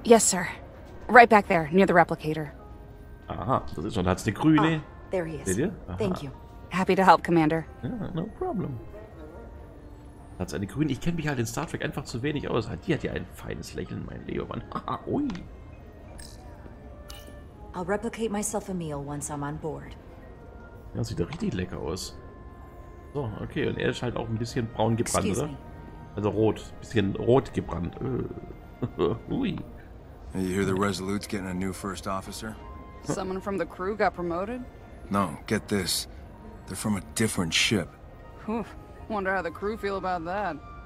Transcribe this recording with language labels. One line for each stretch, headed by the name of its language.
English: Yes, sir. Right back there, near the replicator.
German: Aha, das ist schon, da hat's die grüne.
English: Ah, there he is.
German: Seht ihr?
English: Thank you. Happy to help, Commander.
German: Ja,
English: no problem.
German: Hat's eine grüne. Ich kenne mich halt in Star Trek einfach zu wenig aus. Die hat ja ein feines Lächeln, mein Leoban. Haha, ui.
English: I'll replicate myself a meal once I'm on board.
German: Ja, sieht doch richtig lecker aus. So, okay, und er ist halt auch ein bisschen braun gebrannt, oder? Also rot, bisschen rot gebrannt. Ui.
English: You hear the Resolute's getting a new first officer? Someone from the crew got promoted? No, get this. They're from a different ship. Oof, wonder how the crew feel about that.